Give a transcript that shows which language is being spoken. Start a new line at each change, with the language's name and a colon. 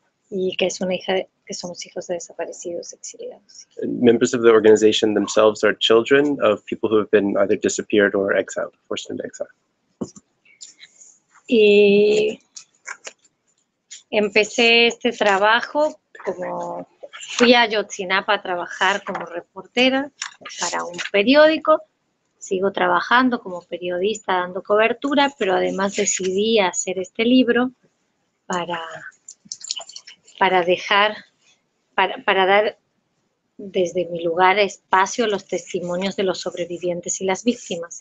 Spanish: Y que es una hija de, que somos hijos de desaparecidos, exiliados.
English: Members of the organization themselves are children of people who have been either disappeared or exiled, forced into exile.
Spanish: Y empecé este trabajo como fui a Ayotzinapa a trabajar como reportera para un periódico. Sigo trabajando como periodista dando cobertura, pero además decidí hacer este libro para dejar, para dar desde mi lugar espacio a los testimonios de los sobrevivientes y las víctimas.